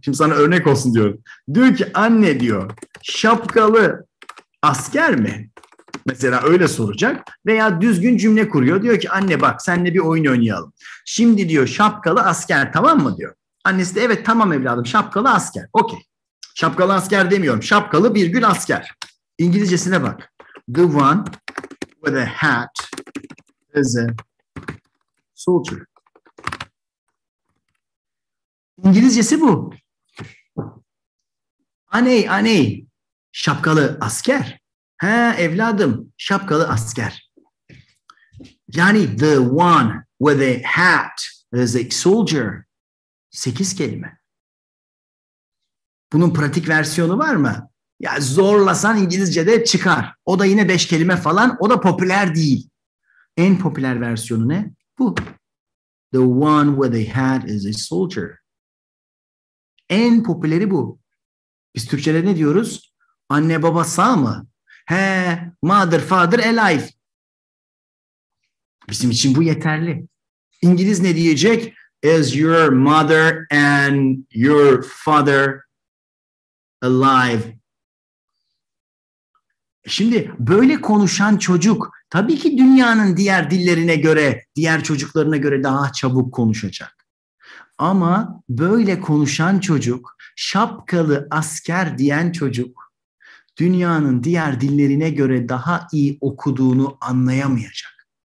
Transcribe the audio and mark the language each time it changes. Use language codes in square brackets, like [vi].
[tr] Şimdi sana örnek olsun diyorum. Diyor ki anne diyor şapkalı asker mi? Mesela öyle soracak. Veya düzgün cümle kuruyor. Diyor ki anne bak seninle bir oyun oynayalım. Şimdi diyor şapkalı asker tamam mı diyor. Annesi de evet tamam evladım şapkalı asker. Okey. Şapkalı asker demiyorum. Şapkalı bir gün asker. İngilizcesine bak. [en] The one with a hat is a soldier. [tr] İngilizcesi bu. Aney aney. Şapkalı asker. He evladım şapkalı asker. Yani [en] the one with a hat is a soldier. [tr] 8 kelime. Bunun pratik versiyonu var mı? Ya zorlasan İngilizce'de çıkar. O da yine 5 kelime falan. O da popüler değil. En popüler versiyonu ne? Bu. [en] The one with a hat is a soldier. [tr] En popüleri bu. Biz Türkçe'de ne diyoruz? Anne baba sağ mı? He, [en] mother, father, alive. [tr] Bizim için bu yeterli. İngiliz ne diyecek? [en] Is your mother and your father alive? [tr] Şimdi böyle konuşan çocuk tabii ki dünyanın diğer dillerine göre, diğer çocuklarına göre daha çabuk konuşacak. Ama böyle konuşan çocuk, şapkalı asker diyen çocuk, dünyanın diğer dillerine göre daha iyi okuduğunu anlayamayacak.